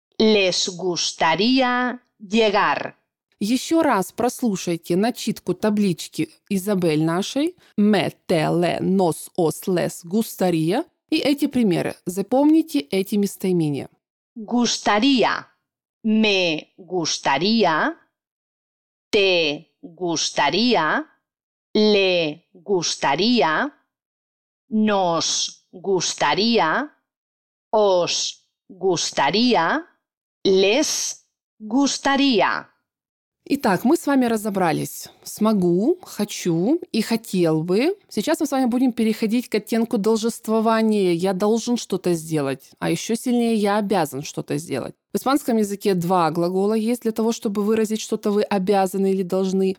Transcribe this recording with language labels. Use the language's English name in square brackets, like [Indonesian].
[Spanish] Les gustaría llegar. [Russian] Еще раз прослушайте начитку таблички Изабель нашей. [Spanish] Me, te, le, nos, os, les, gustaría. [Russian] И эти примеры. Запомните эти местоимения. [Spanish] Gustaría. Me gustaría. Te gustaría, le gustaría, nos gustaría, os gustaría, les gustaría. [Russian] Итак, мы с вами разобрались. Смогу, хочу и хотел бы. Сейчас мы с вами будем переходить к оттенку должествования. Я должен что-то сделать, а еще сильнее я обязан что-то сделать. В испанском языке два глагола есть для того, чтобы выразить что-то вы обязаны или должны.